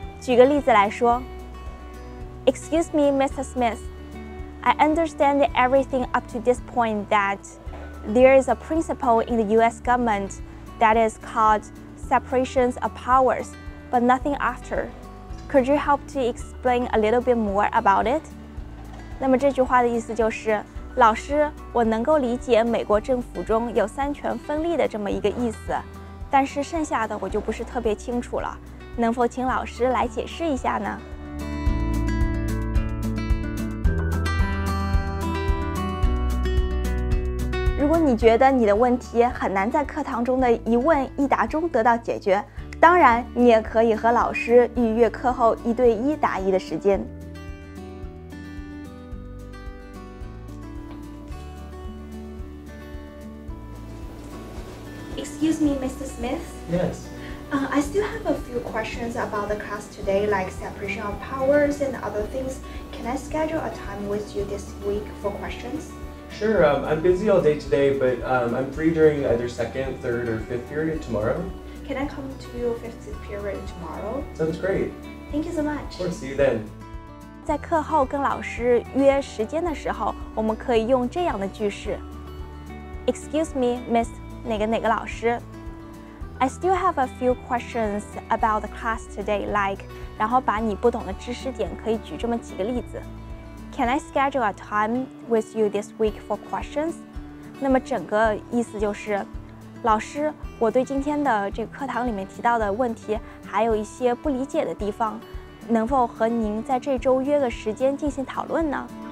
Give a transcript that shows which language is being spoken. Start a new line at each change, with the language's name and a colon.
Chinese: 举个例子来说，
English: Excuse me, Mr. Smith, I understand everything up to this point that there is a principle in the US government that is called separation of powers, but nothing after. Could you help to explain a little bit more about it?
Chinese: 那么这句话的意思就是，老师，我能够理解美国政府中有三权分立的这么一个意思，但是剩下的我就不是特别清楚了，能否请老师来解释一下呢？如果你觉得你的问题很难在课堂中的一问一答中得到解决，当然你也可以和老师预约课后一对一答疑的时间。
English: Excuse me, Mr. Smith? Yes. I still have a few questions about the class today, like separation of powers and other things. Can I schedule a time with you this week for questions? Sure, I'm busy all day today, but I'm free during either second, third, or fifth period tomorrow. Can I come to your fifth period tomorrow? Sounds great. Thank you so much. Of course, see you then.
Chinese: 在课后跟老师约时间的时候，我们可以用这样的句式。
English: Excuse me, Miss.
Chinese: 哪个哪个老师？
English: I still have a few questions about the class today, like,
Chinese: 然后把你不懂的知识点可以举这么几个例子。
English: Can I schedule a time with you this week for questions?
Chinese: 那么整个意思就是，老师，我对今天的这个课堂里面提到的问题还有一些不理解的地方，能否和您在这周约个时间进行讨论呢？